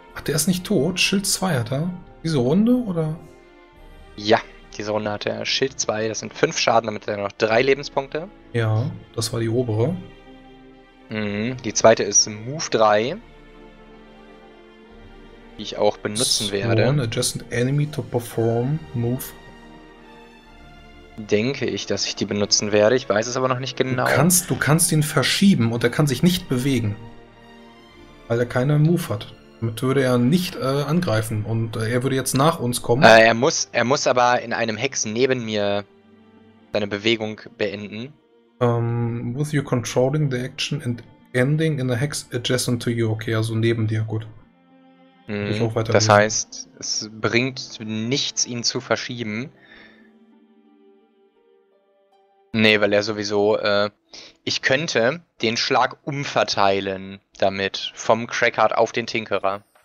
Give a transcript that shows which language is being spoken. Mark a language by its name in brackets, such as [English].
[German] Ach, der ist nicht tot. Schild 2 hat er. Diese Runde, oder? Ja, diese Runde hat er Schild 2. Das sind 5 Schaden, damit hat er noch 3 Lebenspunkte. Ja, das war die obere. Die zweite ist Move 3. Die ich auch benutzen werde. [English] One adjacent enemy to perform Move. [German] Denke ich, dass ich die benutzen werde. Ich weiß es aber noch nicht genau. Du kannst ihn verschieben und er kann sich nicht bewegen. Weil er keinen Move hat. Damit würde er nicht angreifen und er würde jetzt nach uns kommen. Er muss aber in einem Hex neben mir seine Bewegung beenden. [English] With you controlling the action and ending in a hex adjacent to you. [German] Okay, also neben dir, gut. Das heißt, es bringt nichts, ihn zu verschieben. Nee, weil er sowieso, ich könnte den Schlag umverteilen damit, vom Crackhart auf den Tinkerer.